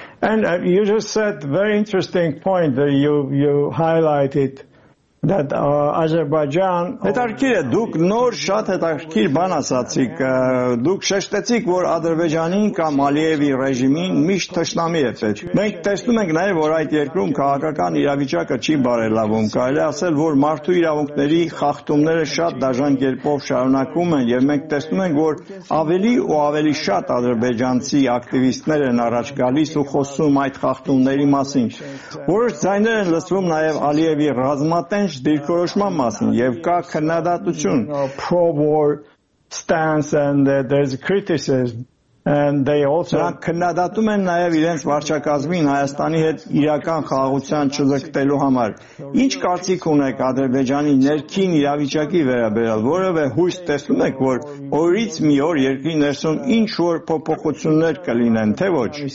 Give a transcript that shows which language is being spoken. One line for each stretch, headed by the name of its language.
English: And you just said very interesting point that you highlighted that Azerbaijan
Armenian: հետաքրքիր է, դուք նոր շատ հետաքրքիր բան ասացիք, դուք շեշտեցիք, որ Ադրբեջանի կամ Ալիևի ռեժիմին միշտ թշնամի է ծեջ։ Մենք տեսնում ենք նաև, որ այդ երկրում քաղաքական իրավիճակը չի բարելավում, կարելի ասել, որ մարդու իրավունքների խախտումները շատ դաժան կերպով շարունակվում են, եւ մենք տեսնում ենք, որ ավելի ու ավելի շատ ադրբեջանցի ակտիվիստներ են առաջ գալիս ու խոսում այդ խախտումների մասին, որոշ ձայներ են լսվում նաև Ալիևի ռազմական դիրքորոշման մասին, եւ կա քննադատություն,
English: pro-war stance, and there's criticism, and they also
Armenian: քննադատում են նաեւ իրենց վարչակազմին Հայաստանի հետ իրական խաղաղության չձգտելու համար։ Ինչ կարծիք ունեք Ադրբեջանի ներքին իրավիճակի վերաբերյալ, որովե հույս տեսնում եք, որ օրից մի օր երկրի ներսում ինչ որ փոփոխություններ կլինեն, թե ոչ։